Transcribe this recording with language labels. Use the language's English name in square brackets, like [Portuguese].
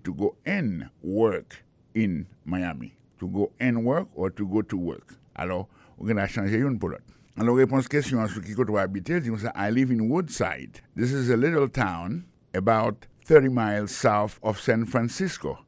[English] to go and work in Miami, to go and work or to go to work. [French] Alors, on va changer une pour l'autre. Alors, réponse question sur qui tu habites, dis-moi ça. [English] I live in Woodside. This is a little town about 30 miles south of San Francisco.